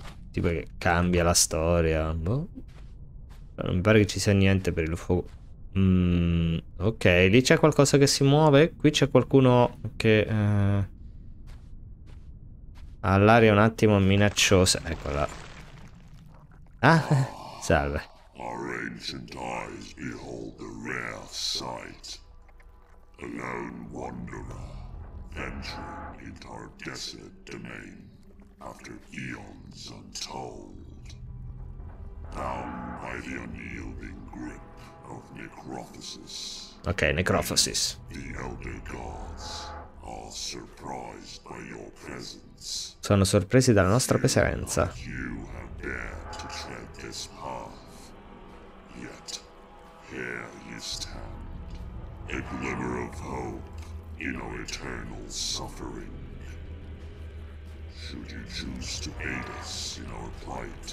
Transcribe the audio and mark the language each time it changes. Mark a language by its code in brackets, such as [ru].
[it] Tipo che cambia la storia. Boh. Non mi pare che ci sia niente per il fuoco. Ok, lì c'è qualcosa che si muove. Qui c'è qualcuno che ha l'aria un attimo minacciosa. Eccola. Ah, salve. [en] Our ancient eyes behold the rare sight. A lone wanderer, venturing into our desert domain after eons untold. Bound by the unyielding grip of necrophysis. Okay, necrophysis. The elder gods are surprised by your presence. [it] Sono sorpresi dalla nostra presenza. [en] You have dared to tread this path. Yet, here you stand. A glimmer of hope in our eternal suffering. Should you choose to aid us in our plight?